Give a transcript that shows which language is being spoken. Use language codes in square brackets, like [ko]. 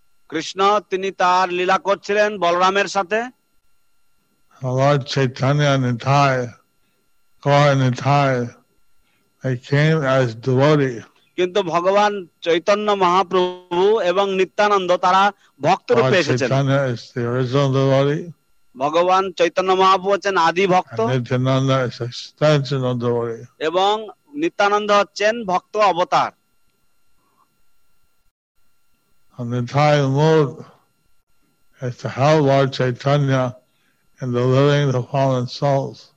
[bn] কৃষ্ণ তিনি তার লীলা করছিলেন বলরামের সাথে। [en] Lord Chaitanya and Nitai, Gaur and Nitai, they came as devotee. [bn] কিন্তু ভগবান চৈতন্য মহাপ্রভু এবং নিত্যানন্দ তারা ভক্ত রূপে এসেছেন। [en] Lord Chaitanya is the original devotee. [bn] ভগবান চৈতন্য মহাপ্রভু হচ্ছেন আদি ভক্ত। [en] Nityananda is the extension of devotee. [bn] এবং নিত্যানন্দ হচ্ছেন ভক্ত অবতার। [en] And the entire mood is to help Lord Chaitanya in delivering the fallen souls.